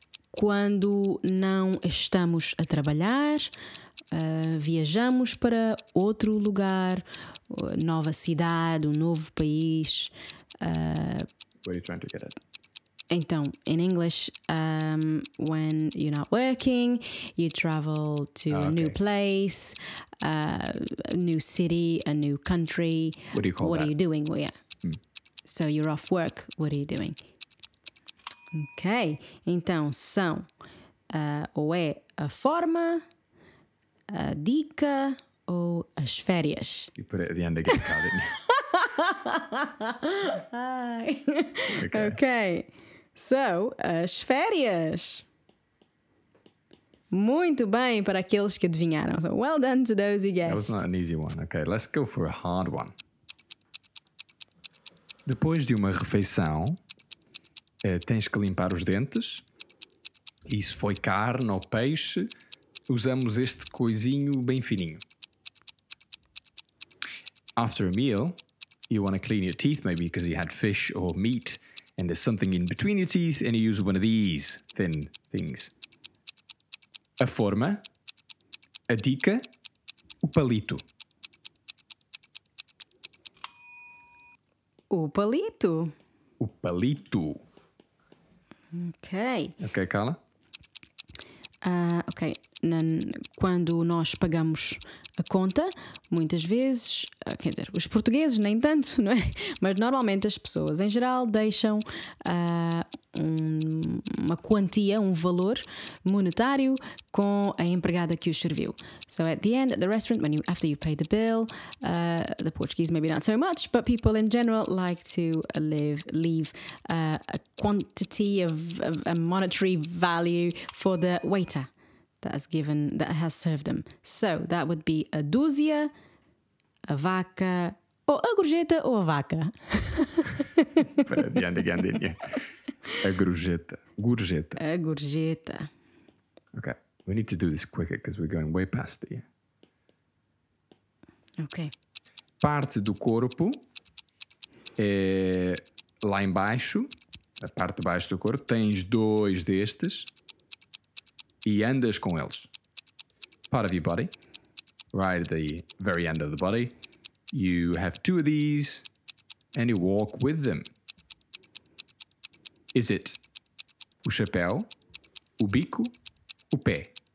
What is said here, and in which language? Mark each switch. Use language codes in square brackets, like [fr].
[pt] Quando não estamos a trabalhar, viajamos para outro lugar, nova cidade, novo país. [en] What are you trying to get at? Então, in English, when you're not working, you travel to a new place, a new city, a new country. What do you call what that? What are you doing? Well, yeah. So you're off work, what are you doing? [pt] Ok, então são ou é a forma, a dica ou as férias? [en] You put it at the end again, Carl, didn't you? Okay. So, as férias. [pt] Muito bem para aqueles que adivinharam. [en] So, well done to those who guessed. That was not an easy one. Okay, let's go for a hard one. [pt] Depois de uma refeição, tens que limpar os dentes. E se foi carne ou peixe, usamos este coisinho bem fininho. [en] After a meal, you want to clean your teeth, maybe because you had fish or meat, and there's something in between your teeth, and you use one of these thin things. [pt] A forma, a dica, o palito. O palito. O palito. [en] Okay. Okay, Carla. Okay. [pt] Quando nós pagamos a conta, muitas vezes, quer dizer, os portugueses nem tanto, não é? Mas normalmente as pessoas em geral deixam uma quantia, um valor monetário com a empregada que os serviu. [en] So at the end, at the restaurant, when you, after you pay the bill, the Portuguese maybe not so much, but people in general like to leave a quantity of a monetary value for the waiter. That has served them. So, that would be a dúzia, a vaca, or a gorjeta ou a vaca. Put it at the end again, didn't you? [pt] A gorjeta. Gorjeta. A gorjeta. [en] Okay, we need to do this quicker because we're going way past the year. Okay. [pt] Parte do corpo é lá embaixo, a parte de baixo do corpo, tens dois destes. E andas com eles. [en] Part of your body, right at the very end of the body, you have two of these and you walk with them. Is it [pt] o chapéu, o bico, o pé?